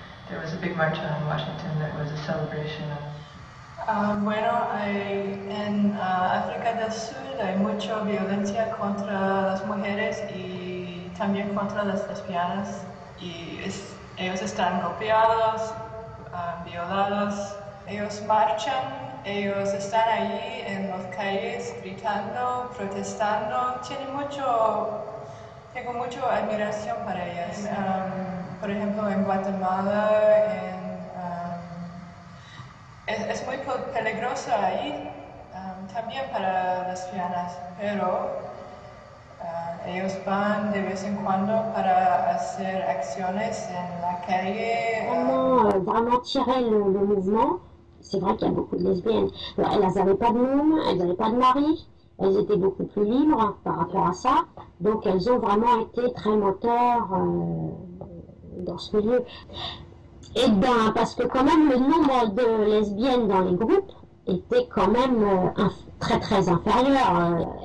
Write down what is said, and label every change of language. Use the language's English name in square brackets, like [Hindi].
[English] There was a big March on Washington that was a celebration of. [Spanish] En África del Sur hay mucha violencia contra las mujeres y también contra las lesbianas. Y ellos están golpeados, violados. Ellos marchan, ellos están ahí en las calles gritando, protestando. Tengo mucha admiración para ellas. Por ejemplo, en Guatemala, es muy peligroso ahí también para las lesbianas, pero ellos van de vez en cuando para hacer acciones en la calle. ¿Cómo van a tirar el movimiento? [French] C'est vrai qu'il y a beaucoup de lesbiennes. Alors, elles n'avaient pas de nom, elles n'avaient pas de mari, elles étaient beaucoup plus libres par rapport à ça. Donc elles ont vraiment été très moteurs dans ce milieu. Et bien, parce que quand même le nombre de lesbiennes dans les groupes était quand même très très inférieur.